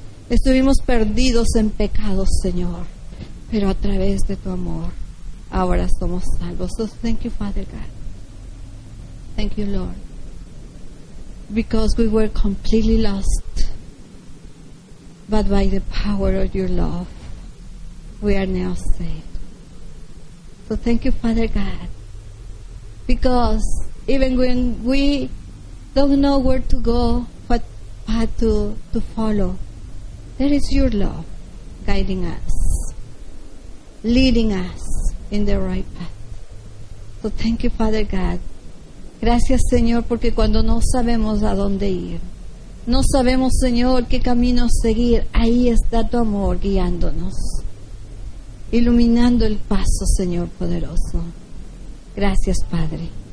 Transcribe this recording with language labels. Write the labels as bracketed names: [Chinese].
[Spanish] Estuvimos perdidos en pecados, Señor, pero a través de tu amor ahora somos salvos. [English] So thank you, Father God. Thank you, Lord. Because we were completely lost, but by the power of your love, we are now saved. So thank you, Father God. Because even when we don't know where to go, what path to follow, there is your love guiding us, leading us in the right path. So thank you, Father God. [Spanish] Gracias, Señor, porque cuando no sabemos a dónde ir, no sabemos, Señor, qué camino seguir, ahí está tu amor guiándonos, iluminando el paso, Señor poderoso. Gracias, Padre.